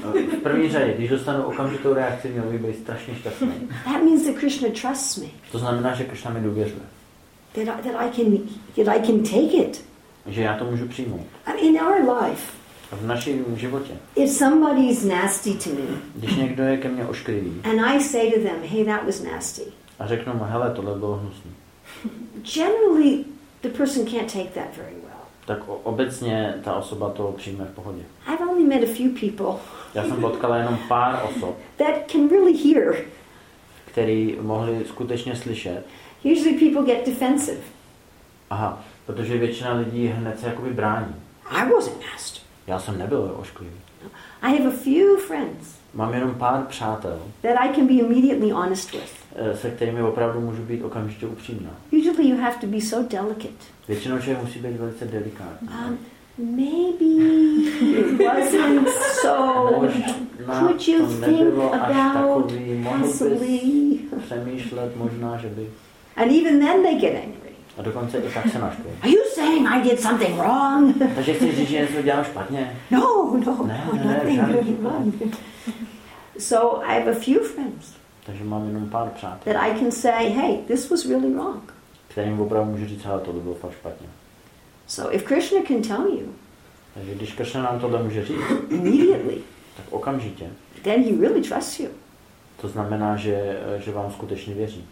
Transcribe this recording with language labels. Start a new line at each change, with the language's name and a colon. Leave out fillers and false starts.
Czech: V první řadě, když dostanu okamžitou reakci, měl bych být strašně šťastný.
English: That means that Krishna trusts me.
Czech: To znamená, že Krishna mi důvěřuje.
English: That I can take it.
Czech: Že já to můžu přijmout.
English: I mean, in our life.
Czech: V našem životě.
English: If somebody is nasty to me.
Czech: Když někdo je ke mně ošklivý.
English: And I say to them, hey, that was nasty.
Czech: A řeknu mu, hele, tohle bylo hnusný.
English: Generally, the person can't take that very well.
Czech: Tak obecně ta osoba to přijme v pohodě.
English: I've only met a few people.
Czech: Já jsem potkala jenom pár osob.
English: That can really hear.
Czech: Který mohli skutečně slyšet.
English: Usually people get defensive.
Czech: Aha, protože většina lidí hned se jakoby brání.
English: I wasn't nasty.
Czech: Já jsem nebyl ošklivý.
English: I have a few friends.
Czech: Mám jenom pár přátel.
English: That I can be immediately honest with.
Czech: Se kterými opravdu můžu být okamžitě upřímná.
English: Usually you have to be so delicate.
Czech: Většinou člověk musí být velice delikátní.
English: Maybe it wasn't so.
Czech: Možná
English: could you think about possibly?
Czech: Přemýšlet možná, že by.
English: And even then they get angry.
Czech: A dokonce i tak se naštvou.
English: Are you saying I did something wrong?
Czech: Takže chci říct, že něco dělám špatně.
English: No, so I have a few friends.
Czech: Takže mám jenom pár přátel.
English: That I can say, hey, this was really wrong.
Czech: Kterým opravdu můžu říct, ale tohle bylo fakt špatně.
English: So if Krishna can tell you.
Czech: Takže když Krishna nám tohle může říct.
English: Immediately.
Czech: Tak okamžitě.
English: Then he really trusts you.
Czech: To znamená, že vám skutečně věří.